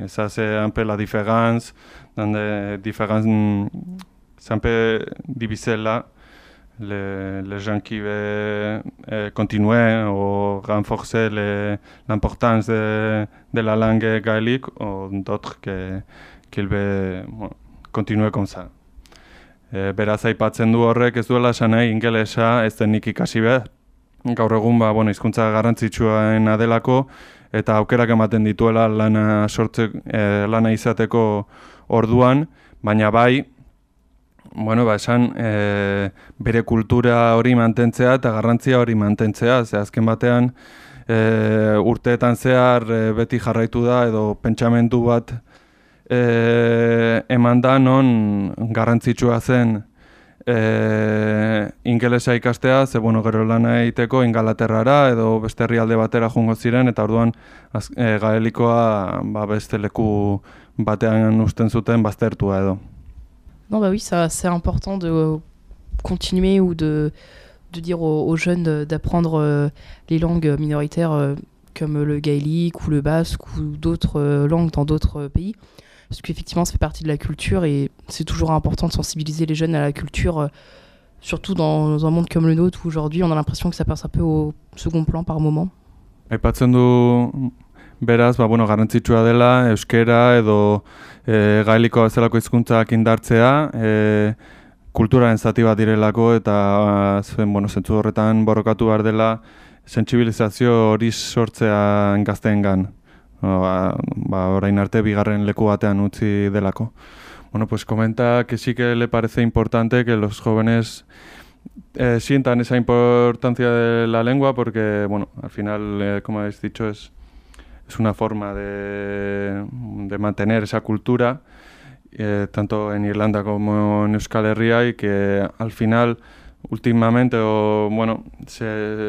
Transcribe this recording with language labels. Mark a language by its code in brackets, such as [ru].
[fr] Et ça, c'est un peu la différence. Dans des différences, c'est un peu divisé là, les gens qui veulent continuer ou renforcer l'importance de la langue gaélique ou d'autres qui veulent continuer comme ça. [eu] Beraz, aipatzen du horrek, ez duela esan nahi ingelesa, ez denik ikasi behar. Gaur egun, ba, bueno, hizkuntza garrantzitsuaen adelako, eta aukerak ematen dituela lana sortzeko, lana izateko orduan, baina bai, bueno, ba, esan bere kultura hori mantentzea eta garrantzia hori mantentzea, ze azken batean urteetan zehar beti jarraitu da edo pentsamendu bat eman da non garrantzitsua zen ingelesa ikastea, ze bueno, gero lana egiteko Ingalaterrara edo beste herrialde batera joango ziren, eta orduan gaelikoa ba, beste leku batean uzten zuten baztertua edo. [fr] Non, bah oui, ça, c'est important de continuer ou de dire aux jeunes d'apprendre les langues minoritaires comme le gaélique ou le basque ou d'autres langues dans d'autres pays. Parce qu'effectivement, ça fait partie de la culture et c'est toujours important de sensibiliser les jeunes à la culture, surtout dans un monde comme le nôtre où aujourd'hui on a l'impression que ça passe un peu au second plan par moment. [eu] Aipatzen du, beraz, ba, bueno, garrantzitsua dela euskera edo gaelikoa bezalako hizkuntzak indartzea, kulturaren zati bat direlako eta zen, bueno, zentzu horretan borrokatu behar dela sentsibilizazio hori sortzea gazteengan. Ba, orain arte bigarren leku batean utzi delako. [es] Bueno, pues comenta que sí que le parece importante que los jóvenes sientan esa importancia de la lengua porque, bueno, al final, como habéis dicho, es una forma de mantener esa cultura tanto en Irlanda como en Euskal Herria y que al final, últimamente, o bueno, se...